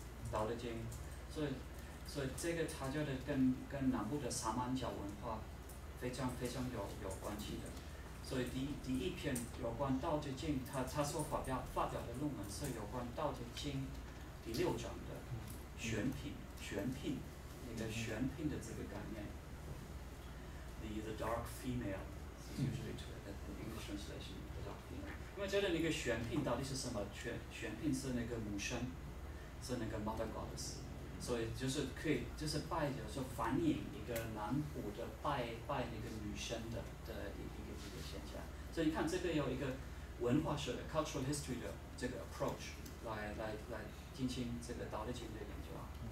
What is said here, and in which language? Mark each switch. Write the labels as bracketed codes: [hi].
[zh] 《道德经》，所以这个他觉得跟南部的萨满教文化非常非常有关系的，所以第一篇有关道德经，他所发表的论文是有关道德经第六章的玄牝，那个玄牝的这个概念。 [en] The dark female is usually to the English translation the dark female。 [zh] 因为这里那个玄牝到底是什么？玄牝是那个母神，是那个 [en] mother goddess。 [zh] 所以就是可以，就是拜，就是反映一个男仆的拜那个女神的一个现象。所以你看，这个有一个文化史的 [en] cultural history [zh] 的这个 [en] approach [zh] 来进行这个道德经的研究啊。